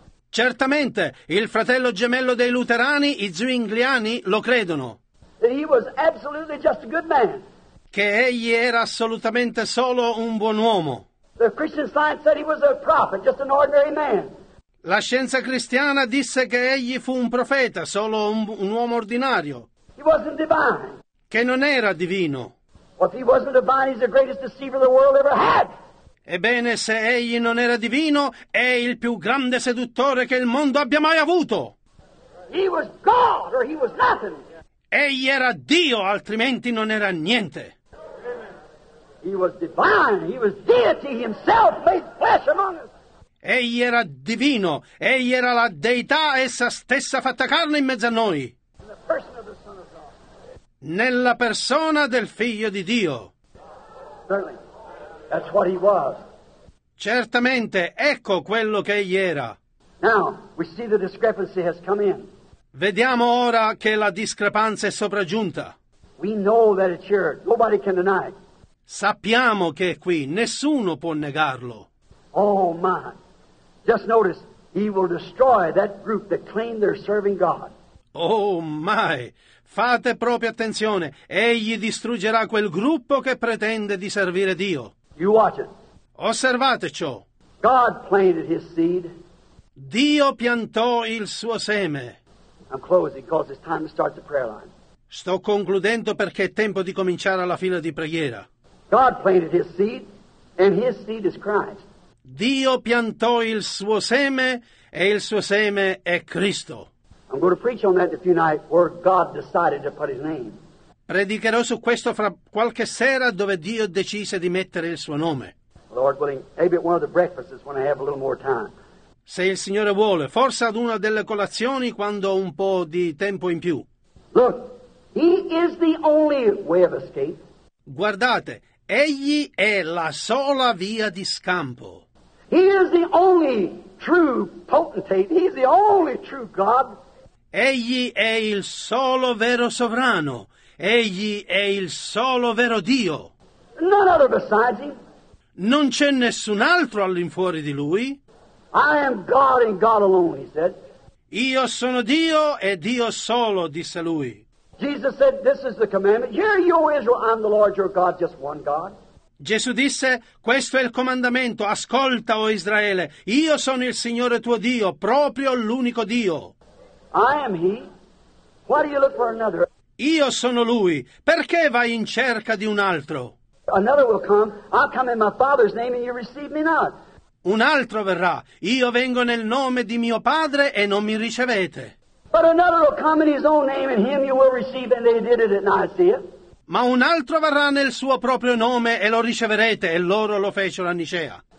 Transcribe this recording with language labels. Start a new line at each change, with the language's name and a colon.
Italian: Certamente, il fratello gemello dei luterani, i zwingliani, lo credono.
English: That he was absolutely just a good man.
Italian: Che egli era assolutamente solo un buon uomo.
English: The Christian Science said he was a prophet, just an ordinary man.
Italian: La scienza cristiana disse che egli fu un profeta, solo un uomo ordinario.
English: He wasn't divine.
Italian: Che non era divino.
English: Well, if he wasn't divine, he's the greatest deceiver the world ever had.
Italian: Ebbene, se egli non era divino, è il più grande seduttore che il mondo abbia mai avuto.
English: He was God or he was nothing.
Italian: Egli era Dio, altrimenti non era niente.
English: He was divine. He was deity himself made flesh among us.
Italian: Egli era divino. Egli era la deità essa stessa fatta carne in mezzo a noi.
English: In the person of the Son of God.
Italian: Nella persona del Figlio di Dio.
English: Certainly. That's what he was.
Italian: Certamente, ecco quello che egli era.
English: Now, we see the discrepancy has come in.
Italian: Vediamo ora che la discrepanza è sopraggiunta.
English: We know that it's here. Nobody can deny it.
Italian: Sappiamo che è qui. Nessuno può negarlo.
English: Oh, my. Just notice, he will destroy that group that claim they're serving God. Oh, my.
Italian: Fate proprio attenzione. Egli distruggerà quel gruppo che pretende di servire Dio.
English: You watch it.
Italian: Osservate ciò.
English: God planted his seed.
Italian: Dio piantò il suo seme.
English: I'm closing because it's time to start the prayer line.
Italian: Sto concludendo perché è tempo di cominciare la fila di preghiera.
English: God planted his seed, and his seed is Christ.
Italian: Dio piantò il suo seme e il suo seme è Cristo.
English: I'm going to preach on that a few nights where God decided to put his name.
Italian: Predicherò su questo fra qualche sera dove Dio decise di mettere il suo nome.
English: Lord willing, maybe at one of the breakfasts when I have a little more time.
Italian: Se il Signore vuole, forse ad una delle colazioni quando ho un po' di tempo in più.
English: Look, he is the only way of escape.
Italian: Guardate, egli è la sola via di scampo.
English: He is the only true potentate. He is the only true God.
Italian: Egli è il solo vero sovrano. Egli è il solo vero Dio.
English: None other besides him.
Italian: Non c'è nessun altro all'infuori di lui.
English: I am God and God alone, he said.
Italian: Io sono Dio e Dio solo, disse lui.
English: Jesus said, this is the commandment. Hear, you, O Israel, I'm the Lord your God, just one God.
Italian: Gesù disse, questo è il comandamento, ascolta, O Israele, io sono il Signore tuo Dio, proprio l'unico Dio.
English: I am he. Why do you look for another?
Italian: Io sono lui, perché vai in cerca di un altro?
English: Another will come, I'll come in my Father's name and you receive me not.
Italian: Un altro verrà, io vengo nel nome di mio Padre e non mi ricevete.
English: But another will come in his own name and him you will receive, and they did it at Nicaea.
Italian: Ma un altro verrà nel suo proprio nome e lo riceverete, e loro lo fecero a Nicea.